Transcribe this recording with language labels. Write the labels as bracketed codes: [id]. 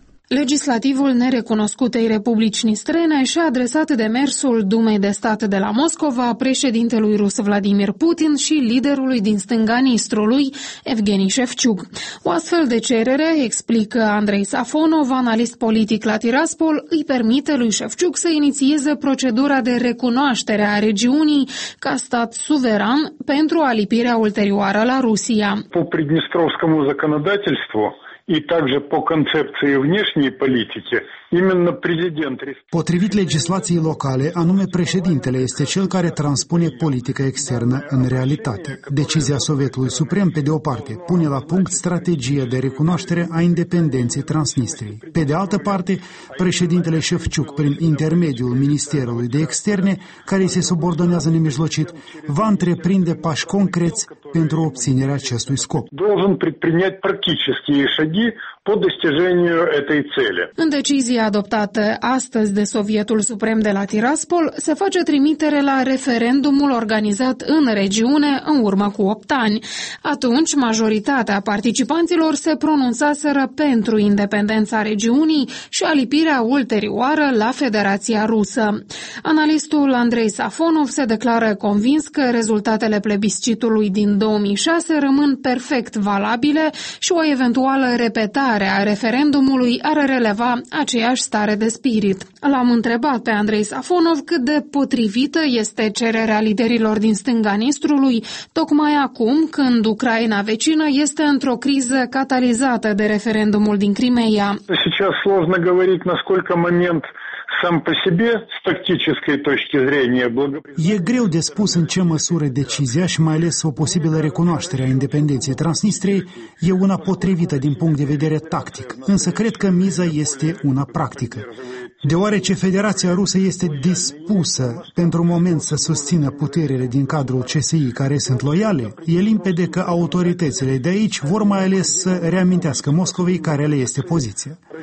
[ro] Legislativul nerecunoscutei Republicii Nistrene și-a adresat demersul Dumei de Stat de la Moscova, președintelui rus Vladimir Putin și liderului din stânga Nistrului, Evgeni Șefciuc. O astfel de cerere, explică Andrei Safonov, analist politic la Tiraspol, îi permite lui Șefciuc să inițieze procedura de recunoaștere a regiunii ca stat suveran pentru alipirea ulterioară la Rusia. [ru] По приднестровскому законодательству и также по концепции внешней политики, именно президент... [ro] Потривит легислации локале, а нуме președintele este cel care transpune politica externă în realitate. Decizia Sovietului Suprem, pe de o parte, pune la punct strategia de recunoaștere a independenței Transnistriei. Pe de altă parte, președintele Șefciuc, prin intermediul Ministerului de Externe, care se subordonează nemijlocit, va întreprinde pași concreți pentru obținerea acestui scop. [ru] Должен предпринять практические шаги по достижению этой цели. [ro] În decizia adoptată astăzi de Sovietul Suprem de la Tiraspol, se face trimitere la referendumul organizat în regiune în urmă cu 8 ani. Atunci, majoritatea participanților se pronunțaseră pentru independența regiunii și alipirea ulterioară la Federația Rusă. Analistul Andrei Safonov se declară convins că rezultatele plebiscitului din 2006 rămân perfect valabile și o eventuală repetare a referendumului ar releva aceeași stare de spirit. L-am întrebat pe Andrei Safonov cât de potrivită este cererea liderilor din stânga Nistrului, tocmai acum când Ucraina vecină este într-o criză catalizată de referendumul din Crimeea. [ru] Сейчас сложно говорить, насколько момент сам по себе с тактической точки зрения благоприятен. [ro] E greu de spus în ce măsură decizia și mai ales o posibilă recunoaștere a independenței Transnistriei e una potrivită din punct de vedere tactic, însă cred că miza este una practică. Deoarece Federația Rusă este dispusă pentru moment să susțină puterile din cadrul CSI care sunt loiale, e limpede că autoritățile de aici vor mai ales să reamintească Moscovei care le este poziția.